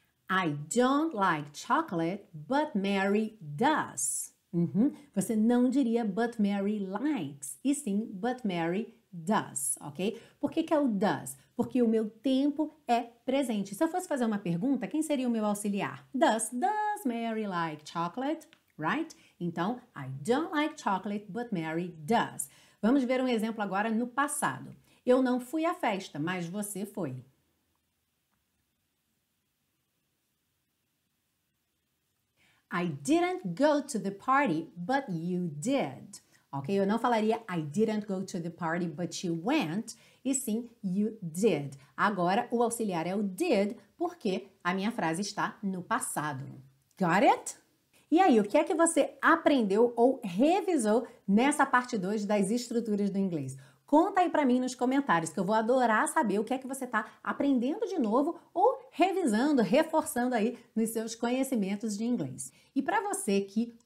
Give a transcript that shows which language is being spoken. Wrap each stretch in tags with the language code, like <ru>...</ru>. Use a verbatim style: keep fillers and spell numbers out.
<en>I don't like chocolate, but Mary does. Uhum.</en> <pt>Você não diria</pt> <en>but Mary likes,</en> <pt>e sim</pt> <en>but Mary does,</en> <pt>ok? Por que que é o does? Porque o meu tempo é presente. Se eu fosse fazer uma pergunta, quem seria o meu auxiliar?</pt> <en>Does, does Mary like chocolate, right? Então, I don't like chocolate, but Mary does.</en> <pt>Vamos ver um exemplo agora no passado. Eu não fui à festa, mas você foi.</pt> <en>I didn't go to the party, but you did. Ok?</en> <pt>Eu não falaria</pt> <en>I didn't go to the party, but you went,</en> <pt>e sim</pt> <en>you did.</en> <pt>Agora, o auxiliar é o did, porque a minha frase está no passado.</pt> <en>Got it?</en> <pt>E aí, o que é que você aprendeu ou revisou nessa parte dois das estruturas do inglês? Conta aí pra mim nos comentários, que eu vou adorar saber o que é que você tá aprendendo de novo ou revisando, reforçando aí nos seus conhecimentos de inglês. E para você que</pt>